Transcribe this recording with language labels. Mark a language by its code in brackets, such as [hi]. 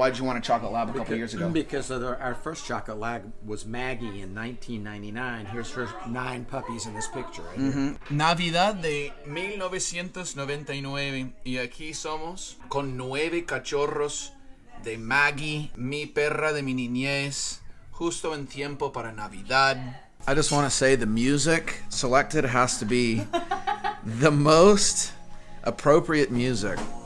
[en] Why did you want a chocolate lab a couple because, years ago? Because our first chocolate lab was Maggie in 1999. Here's her 9 puppies in this picture. Right mm-hmm. [es] Navidad de 1999. Y aquí somos con 9 cachorros de Maggie, mi perra de mi niñez, justo en tiempo para Navidad. [en] I just want to say the music selected has to be the most appropriate music.